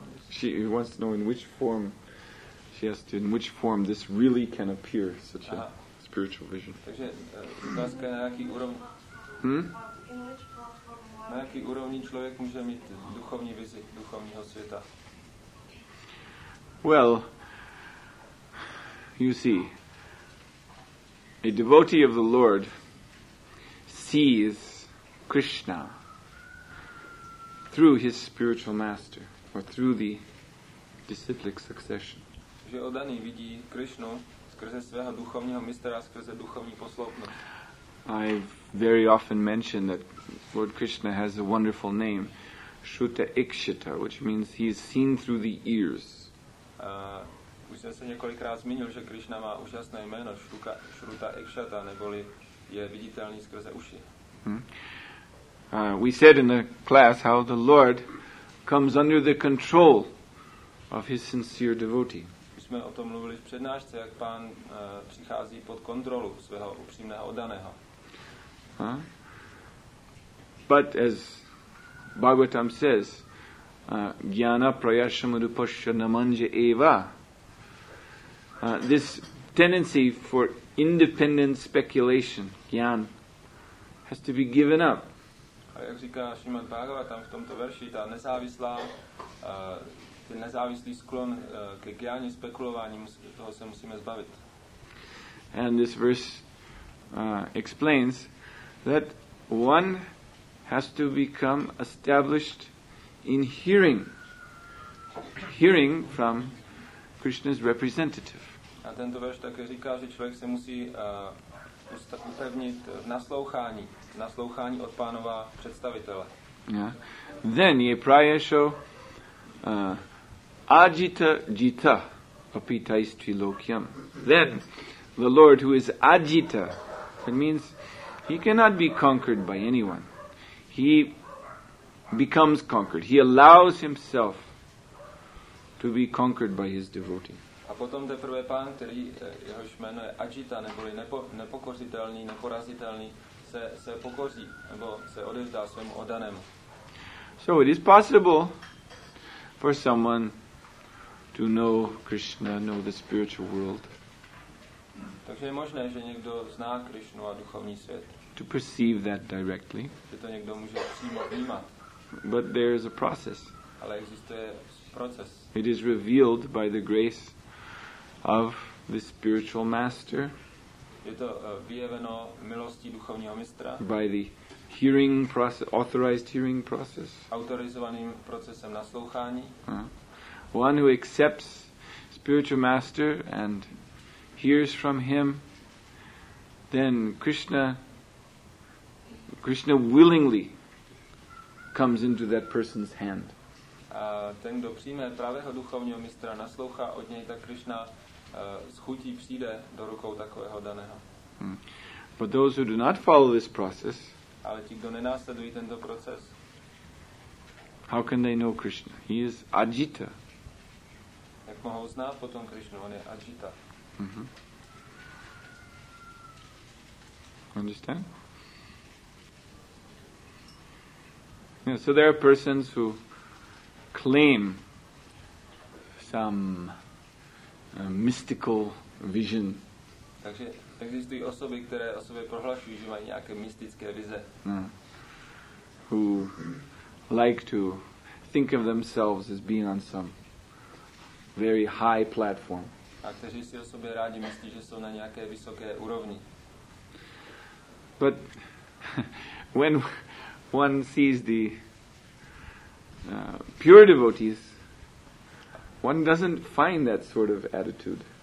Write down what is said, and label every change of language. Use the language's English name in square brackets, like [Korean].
[English] She wants to know in which form she has to, in which form this really can appear, such a spiritual vision. [Czech] Takže, na jaký úrovni? Na jaký úrovni člověk může mít duchovní vizi duchovního světa? [English] Well, you see, a devotee of the Lord sees Krishna through his spiritual master, or through the disciplic succession. [Czech] Že oddaný vidí Krishnu skrze svého duchovního mistra, skrze duchovní posloupnost. [English] I very often mention that Lord Krishna has a wonderful name, Shruta Ikshita, which means he is seen through the ears. [Czech] Už jsem se několikrát zmínil, že Krishna má úžasné jméno Shruta Ikshita, neboli je viditelný skrze uši. [English] We said in the class how the Lord comes under the control of his sincere devotee. [Czech] My jsme o tom mluvili v přednášce, jak pán přichází pod kontrolu svého upřímného oddaného. [English] But as Bhagavatam says, [Sanskrit] jnana prayasamudupasya namanja eva. [English] This tendency for independent speculation, jnan, has to be given up. [Czech] A jak říká Šrimad Bhagavatam v tomto verši, ta nezávislá ten nezávislý sklon ke gyáně spekulování, toho se musíme zbavit. [English] And this verse explains that one has to become established in hearing from Krishna's representative. [Czech] A tento verš také říká, že člověk se musí upevnit naslouchání od pánova představitele. [Sanskrit] Yeah. Then ye prayasho ajita jita apitais trilokyam. [English] Then the Lord who is ajita, that means he cannot be conquered by anyone. He becomes conquered. He allows himself to be conquered by his devotee. [Czech] A potom teprve pán, který jehož jméno je Ajita, neboli nepokořitelný, neporazitelný, se pokoří, nebo se odevzdá svému oddanému. [English] So it is possible for someone to know Krishna, know the spiritual world. [Czech] Takže je možné, že někdo zná Krishnu a duchovní svět. [English] To perceive that directly. [Czech] Že to někdo může přímo vnímat. [English] But there is a process. [Czech] Ale existuje proces. [English] It is revealed by the grace of the spiritual master. [Czech] Je to vyjeveno milostí duchovního mistra. [English] By the hearing process, authorized hearing process. [Czech] Autorizovaným procesem naslouchání. [English] One who accepts spiritual master and hears from him, then Krishna willingly comes into that person's hand. [Czech] A ten, kdo přijme pravého duchovního mistra, naslouchá od něj, tak Krishna z chutí přijde do rukou takového daného. [English] But those who do not follow this process, [Czech] ale ti, kdo nenásledují tento proces, [English] how can they know Krishna? He is Ajita. [Czech] Jak mohou znát potom Krishnu? On je Ajita. [English] Mm-hmm. Understand? Yeah, so there are persons who claim some mystical vision. [Czech] Takže existují osoby, které o sobě prohlašují, že mají nějaké mystické vize. [English] who like to think of themselves as being on some very high platform. [Czech] A kteří si o sobě rádi myslí, že jsou na nějaké vysoké úrovni. [English] But when one sees the pure devotees, one doesn't find that sort of attitude.